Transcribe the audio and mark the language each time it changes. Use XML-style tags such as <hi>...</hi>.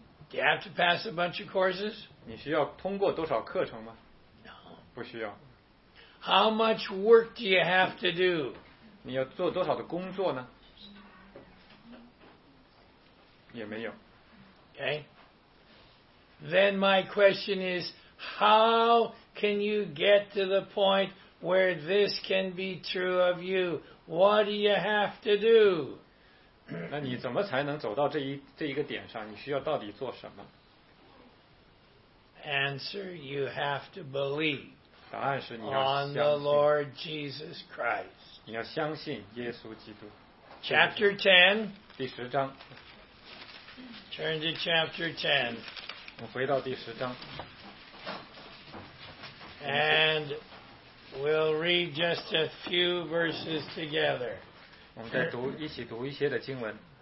<en>Do you have to pass a bunch of courses?</en> <zh>你需要通过多少课程吗？</zh> <en>No.</en> <zh>不需要。</zh> <en>How much work do you have to do?</en> <zh>你要做多少的工作呢？</zh> <en>No.</en> <zh>也没有。</zh> <en>Okay. Then my question is,How can you get to the point where this can be true of you? What do you have to do?</en> <zh>那你怎么才能走到这一个点上？你需要到底做什么？</zh> <en>Answer, you have to believe.</en> <zh>答案是你要相信。</zh> <en>On the Lord Jesus Christ.</en> <zh>你要相信耶稣基督。</zh> <en>Chapter 10.</en> <zh>第十章。</zh> <en>Turn to chapter 10.</en> <zh>我回到第十章。</zh> <en>And we'll read just a few verses together.</en> <zh>我们再读一起读一些的经文。</zh>